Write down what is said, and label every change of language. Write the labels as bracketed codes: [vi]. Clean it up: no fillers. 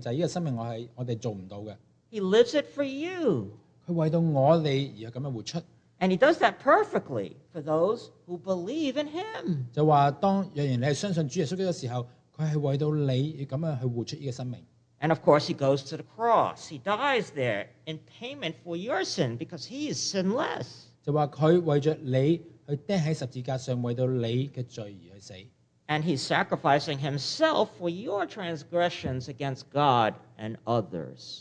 [zh] 他说他过了一个完全完美的生命，就是这个生命我们做不到的。 [en] He lives it for you. [zh] 他为了我们而这样活出。 [en] And he does that perfectly for those who believe in him. [zh] 就说当若然你相信主耶稣基督的时候，他是为了你而这样活出这个生命。 [en] And of course he goes to the cross. He dies there in payment for your sin because he is sinless. [zh] 就说他为了你，他钉在十字架上为了你的罪而死。 [en] And he's sacrificing himself for your transgressions against God and others.